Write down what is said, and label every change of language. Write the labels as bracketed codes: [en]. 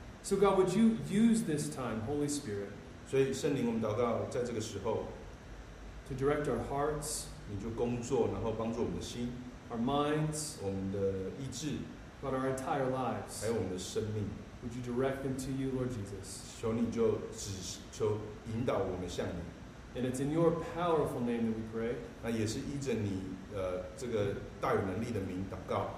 [en] So God, would you use this time, Holy Spirit, [zh] 所以圣灵我们祷告在这个时候, [en] to direct our hearts, [zh] 你就工作,然后帮助我们的心, [en] our minds, [zh] 我们的意志, [en] but our entire lives, [zh] 还有我们的生命, [en] would you direct them to you, Lord Jesus? [zh] 求你就引导我们向你。 [en] And it's in your powerful name that we pray. [zh] 那也是依着你这个大有能力的名祷告。